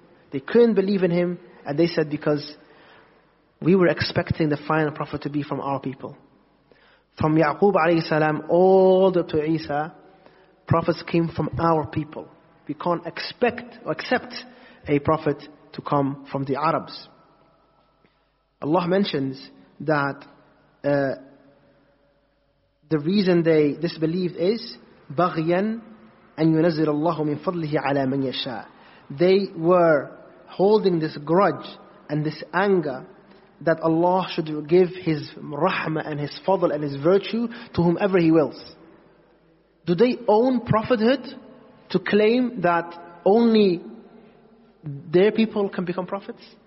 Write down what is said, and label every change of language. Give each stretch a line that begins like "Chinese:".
English: They couldn't believe in him, and they said, because we were expecting the final prophet to be from our people. From Ya'qub alayhi salam all the way to Isa, prophets came from our people. We can't expect or accept a prophet to come from the Arabs.
Arabic: Allah mentions that the reason they disbelieved is بَغْيًا أَنْ يُنَزِّلَ اللَّهُ مِنْ فَضْلِهِ عَلَى مَنْ يَشَاءَ.
English: They were holding this grudge and this anger that Allah should give His rahmah and His fadl and His virtue to whomever He wills. Do they own prophethood to claim that only their people can become prophets?